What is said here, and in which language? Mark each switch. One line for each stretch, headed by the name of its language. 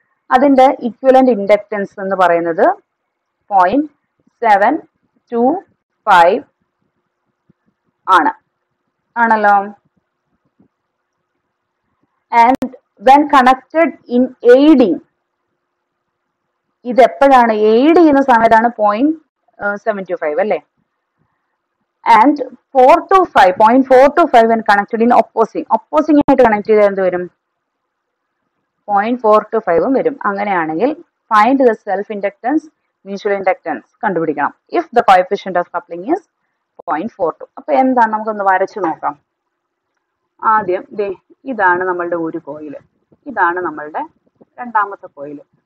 Malayalam: അതിൻ്റെ equivalent inductance എന്ന് പറയുന്നത് 0.725 ആണല്ലോ.
English: and when connected in aiding
Malayalam: ഇത് എപ്പോഴാണ് എയ്ഡ് ചെയ്യുന്ന സമയത്താണ് 0.725 അല്ലേ.
English: And 0.425 when connected in opposing.
Malayalam: Opposing ആയിട്ട് കണക്ട് ചെയ്താൽ എന്ത് വരും? 0.425 വരും. അങ്ങനെയാണെങ്കിൽ
English: find the self inductance
Malayalam: mutual inductance കണ്ടുപിടിക്കണം.
English: If the coefficient of coupling is 0.42.
Malayalam: അപ്പോൾ എന്താണ് നമുക്കൊന്ന് വരച്ചു നോക്കാം. ആദ്യം ദേ ഇതാണ് നമ്മളുടെ ഒരു കോയിൽ, ഇതാണ് നമ്മളുടെ രണ്ടാമത്തെ കോയിൽ.